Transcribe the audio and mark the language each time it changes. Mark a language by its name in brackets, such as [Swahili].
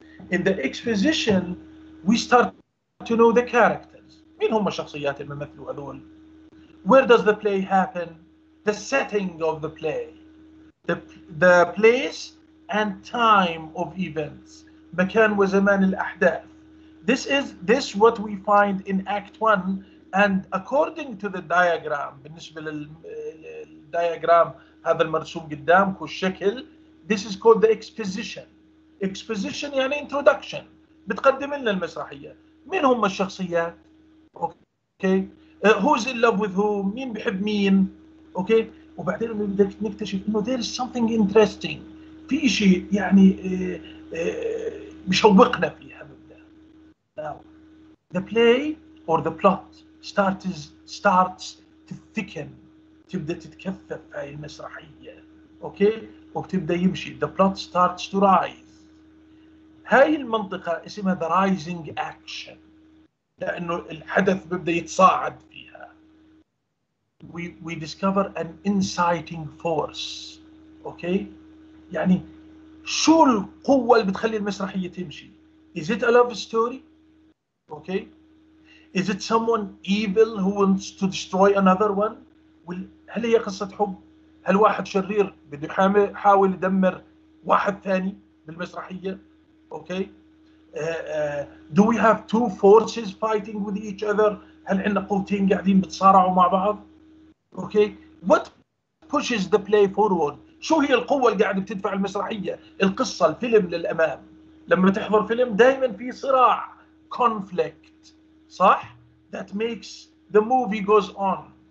[English] In the exposition, we start to know the characters. [Arabic] مين هم الشخصيات الممثل هذول؟ [English] Where does the play happen? The setting of the play. The place and time of events. [Arabic] مكان وزمان الأحداث. [English] This is what we find in Act 1. And according to the diagram, [Arabic] بالنسبة للديagram هذا المرسوم قدامك والشكل, [English] this is called the exposition. [Arabic] Exposition يعني introduction, بتقدم لنا المسرحية. مين هم الشخصيات؟ [English] Okay. Who's in love with who? [Arabic] مين بحب مين؟ Okay. وبعدين بدك نكتشف إنه [English] there is something interesting. [Arabic] في شيء يعني مشوقنا فيها. [English] Now, the play or the plot starts to thicken. [Arabic] تبدأ تتكثف هاي المسرحية. [English] Okay. [Arabic] وبتبدأ يمشي. [English] The plot starts to rise. [Arabic] هاي المنطقة اسمها the rising action, لأنه الحدث بيبدأ يتصاعد فيها. [English] We discover an inciting force. Okay, [Arabic] يعني شو القوة اللي بتخلي المسرحية تمشي؟ [English] Is it a love story? Okay, is it someone evil who wants to destroy another one? [Arabic] هل هي قصة حب؟ هل واحد شرير بده يحاول يدمر واحد ثاني بالمسرحية؟ Okay. [English] Do we have two forces fighting with each other? [Arabic] هل عندنا قوتين قاعدين بتصارعوا مع بعض? [English] Okay. What pushes the play forward? [Arabic] شو هي القوة اللي قاعدة بتدفع المسرحية, القصة, الفيلم للأمام؟ لما تحضر فيلم دائما في صراع, conflict, صح? [English] That makes the movie goes on.